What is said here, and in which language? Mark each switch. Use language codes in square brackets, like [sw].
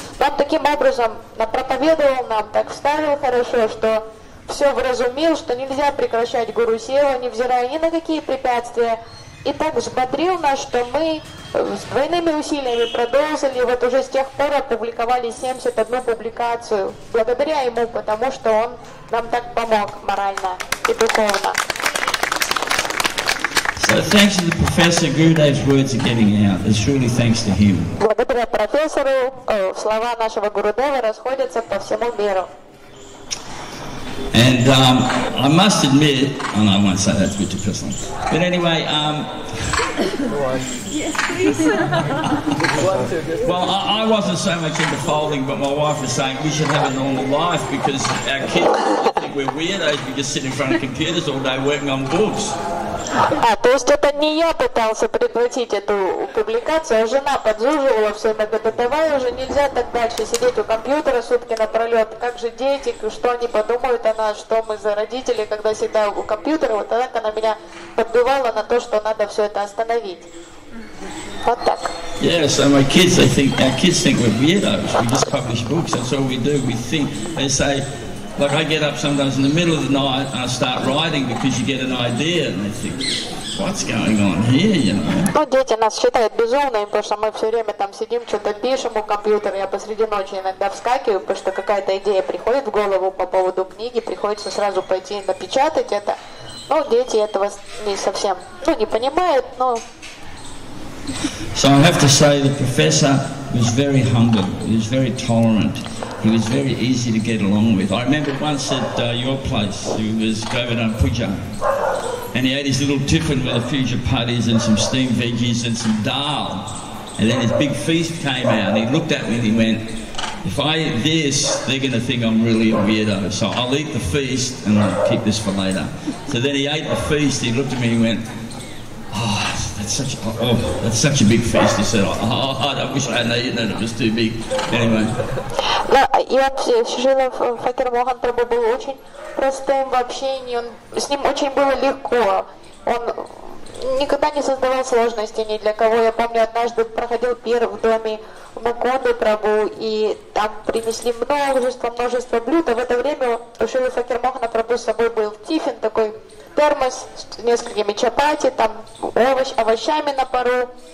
[ru] Он таким образом проповедовал нам, так вставил хорошо, что все вразумил, что нельзя прекращать гуру сева, невзирая ни на какие препятствия. И так взбодрил нас, что мы с двойными усилиями продолжили, вот уже с тех пор опубликовали 71 публикацию, благодаря ему, потому что он нам так помог морально и духовно. [en] So thanks to the professor, Gurudev's words are getting out. It's truly thanks to him. [ru] Благодаря профессору, слова нашего Гурудева расходятся по всему миру. [en] And I must admit, oh no, I won't say that's good to piss on. But anyway, well, I wasn't so much into folding, but my wife was saying we should have a normal life because our kids think we're weirdos. We just sit in front of computers all day working on books. [ru] А то есть это не я пытался прекратить эту публикацию, а жена подзуживала все, она говорит, давай уже нельзя так дальше сидеть у компьютера сутки напролет, как же дети, что они подумают о нас, что мы за родители, когда всегда у компьютера, вот так она меня подбивала на то, что надо все это остановить. Вот так. [en] Yeah, so my kids, they think, our kids think we're weirdos, we just publish books, that's all we do, we think, they say... Like I get up sometimes in the middle of the night and I start writing because you get an idea and they think, what's going on here, you know? [ru] Ну, дети нас считают безумными, потому что мы все время там сидим, что-то пишем у компьютера. Я посреди ночи иногда вскакиваю, потому что какая-то идея приходит в голову по поводу книги, приходится сразу пойти напечатать это. Ну, дети этого не совсем, ну, не понимают, но... [en] So I have to say the professor was very humble, he was very tolerant. He was very easy to get along with. I remember once at your place, he was Govardhan Puja, and he ate his little tiffin with a few chapatis and some steamed veggies and some dal. And then his big feast came out, and he looked at me and he went, if I eat this, they're going to think I'm really a weirdo, so I'll eat the feast and I'll keep this for later. So then he ate the feast, he looked at me and he went, oh, that's such a big feast. He said, oh, I wish I hadn't eaten it, it was too big. Anyway. [ru] Да, и он жил в Факирмоган Прабу был очень простым в общении, он, с ним очень было легко. Он никогда не создавал сложностей ни для кого. Я помню, однажды проходил пир в доме Мукунды Прабу, и там принесли множество блюд, а в это время у Шрилы Факирмохана Прабу с собой был тифин, такой термос с несколькими чапати, там овощами на пару.